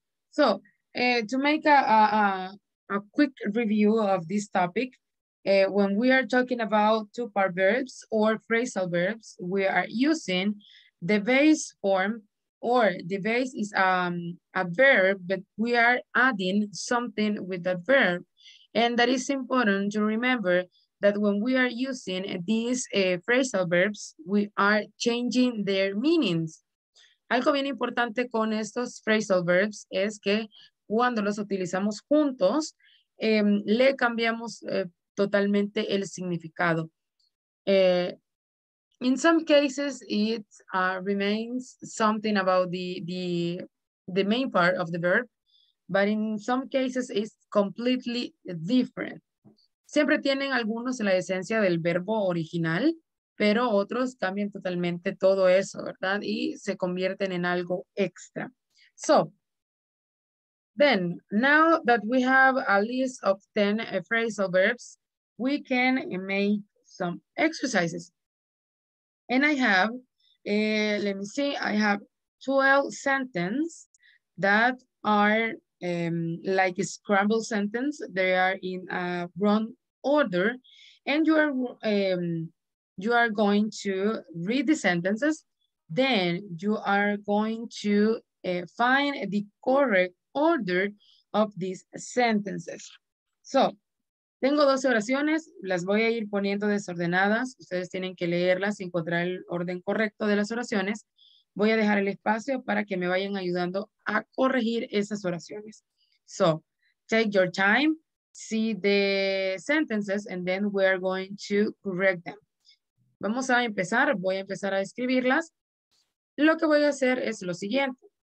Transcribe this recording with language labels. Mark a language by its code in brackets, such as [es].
[en] So, to make a quick review of this topic, when we are talking about two-part verbs or phrasal verbs, we are using the base form, or the base is a verb, but we are adding something with that verb. And that is important to remember that when we are using these phrasal verbs, we are changing their meanings. [es] Algo bien importante con estos phrasal verbs es que cuando los utilizamos juntos, le cambiamos totalmente el significado. [en] In some cases, it remains something about the main part of the verb, but in some cases, it's completely different. [es] Siempre tienen algunos la esencia del verbo original, pero otros cambian totalmente todo eso, ¿verdad? Y se convierten en algo extra. [en] So, then, now that we have a list of 10 phrasal verbs, we can make some exercises. And I have, let me see, I have 12 sentences that are like a scrambled sentence. They are in a wrong order, and you are going to read the sentences. Then you are going to find the correct order of these sentences. [es] So, tengo 12 oraciones, las voy a ir poniendo desordenadas. Ustedes tienen que leerlas y encontrar el orden correcto de las oraciones. Voy a dejar el espacio para que me vayan ayudando a corregir esas oraciones. [en] So, take your time, see the sentences, and then we are going to correct them. [es] Vamos a empezar, voy a empezar a escribirlas. Lo que voy a hacer es lo siguiente.